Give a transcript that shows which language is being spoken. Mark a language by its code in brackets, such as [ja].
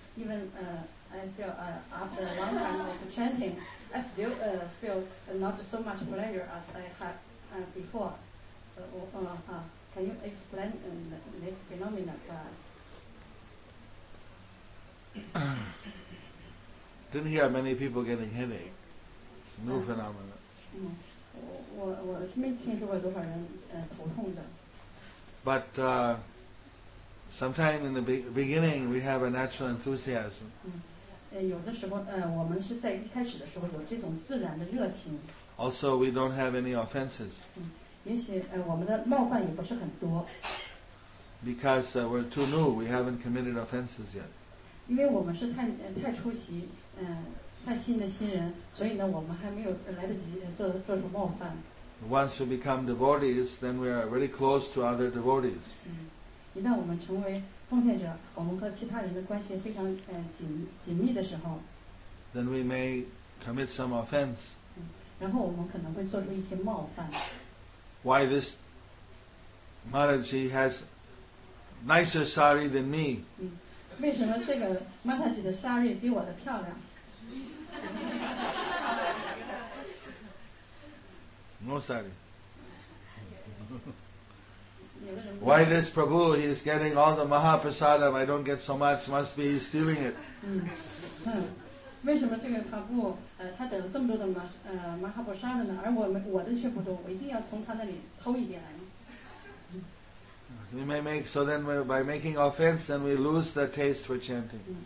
[en] Even I feel after a long time of chanting, I still feel not so much pleasure as I had before. So, can you explain this phenomenon to us? Didn't hear many people getting headache. It's a new phenomenon. [zh] 我没听说过多少人头痛的。 [en] But sometime in the beginning, we have a natural enthusiasm. [zh] 有的时候，我们是在一开始的时候有这种自然的热情。 [en] Also, we don't have any offenses. [zh] 也许，我们的冒犯也不是很多。 [en] Because we're too new, we haven't committed offenses yet. [zh] 因为我们是太初习，太新的新人，所以呢，我们还没有来得及做出冒犯。 [en] Once we become devotees, then we are very close to other devotees. [zh] 一旦我们成为奉献者，我们和其他人的关系非常紧密的时候， [en] then we may commit some offense. [zh] 然后我们可能会做出一些冒犯。 [en] Why this Mataji has nicer sari than me? [zh] 为什么这个 Mataji 的 sari 比我的漂亮？ [en] No sari. Why this Prabhu? He is getting all the Mahaprasadam. I don't get so much. Must be he's stealing it. [zh] 为什么这个他不他得了这么多的马哈波沙的呢，而我的却不多，我一定要从他那里偷一点来。 [en] We may make, so then by making offense, then we lose the taste for chanting.